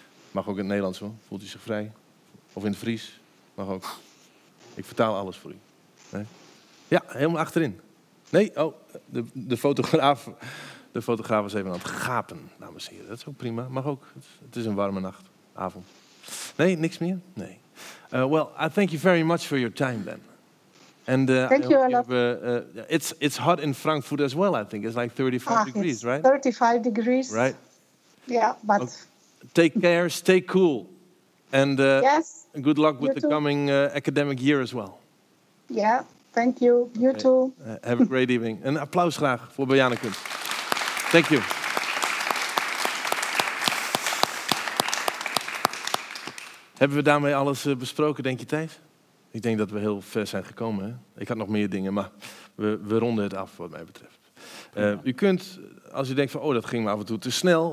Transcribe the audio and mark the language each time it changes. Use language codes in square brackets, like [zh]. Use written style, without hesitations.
[nl] Mag ook in het Nederlands, hoor. Voelt u zich vrij? Of in het Fries? Mag ook. Ik vertaal alles voor u. Nee? Ja, helemaal achterin. Nee? Oh, de fotograaf was even aan het gapen, dames en heren. Dat is ook prima. Mag ook. Het is een warme nacht. Avond. Nee, niks meer? Nee. [en] Well, I thank you very much for your time, then. And it's hot in Frankfurt as well, I think. It's like 35 degrees, right? 35 degrees. Right. Yeah, but... Okay. Take care, stay cool. And yes, good luck with the coming academic year as well. Yeah, thank you. You too. Have a great evening. [nl] Een applaus graag voor Bojana Kunst. [en] Thank you. [nl] Hebben we daarmee alles besproken, denk je, Thijs? Ik denk dat we heel ver zijn gekomen. Hè? Ik had nog meer dingen, maar we ronden het af wat mij betreft. U kunt, als u denkt van, oh, dat ging me af en toe te snel.